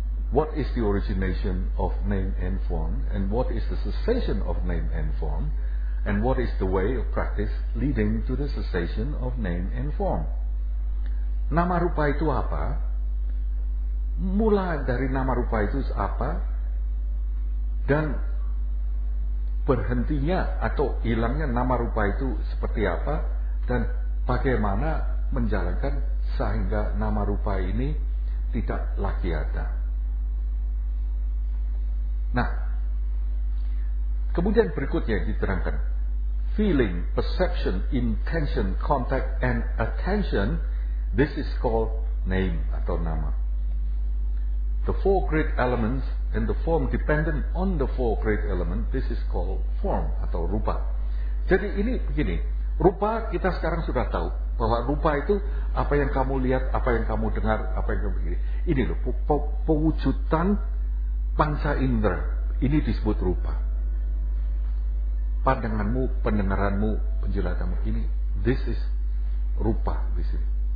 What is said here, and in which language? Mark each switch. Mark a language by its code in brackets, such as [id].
[en] What is the origination of name and form? And what is the cessation of name and form? And what is the way of practice leading to the cessation of name and form? [id] Nama rupa itu apa? Mula dari nama rupa itu apa? Dan berhentinya atau hilangnya nama rupa itu seperti apa? Dan bagaimana menjalankan sehingga nama rupa ini tidak lagi ada? Nah, kemudian berikutnya diterangkan. [en] Feeling, perception, intention, contact, and attention, this is called name [id] atau nama. [en] The four great elements and the form dependent on the four great elements, this is called form [id] atau rupa. Jadi ini begini, rupa kita sekarang sudah tahu bahwa rupa itu apa yang kamu lihat, apa yang kamu dengar, apa yang kamu pikir. Ini loh, pewujudan panca indera, ini disebut rupa. Pandanganmu, pendengaranmu, penjelatanmu, ini, [en] this is [id] rupa di sini.